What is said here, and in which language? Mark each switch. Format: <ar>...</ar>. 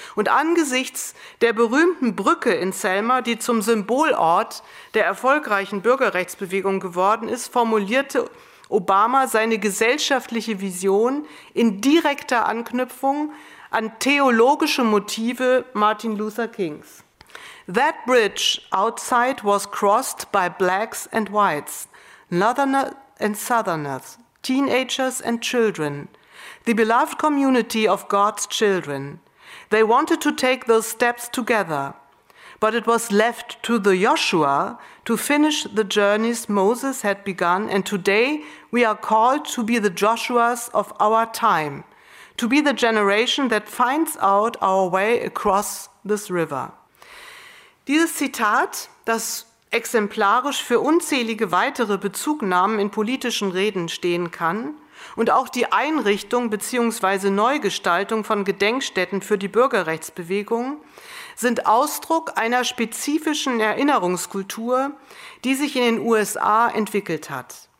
<de>Und angesichts der berühmten Brücke in Selma, die zum Symbolort der erfolgreichen Bürgerrechtsbewegung geworden ist, formulierte Obama seine gesellschaftliche Vision in direkter Anknüpfung an theologische Motive Martin Luther Kings.</de> <en>That bridge outside was crossed by blacks and whites, northerners and southerners, teenagers and children, the beloved community of God's children. They wanted to take those steps together, but it was left to the Joshua to finish the journeys Moses had begun, and today we are called to be the Joshuas of our time, to be the generation that finds out our way across this river.</en> <de>Dieses Zitat, das exemplarisch für unzählige weitere Bezugnahmen in politischen Reden stehen kann, und auch die Einrichtung bzw. Neugestaltung von Gedenkstätten für die Bürgerrechtsbewegung sind Ausdruck einer spezifischen Erinnerungskultur, die sich in den USA entwickelt hat.</de>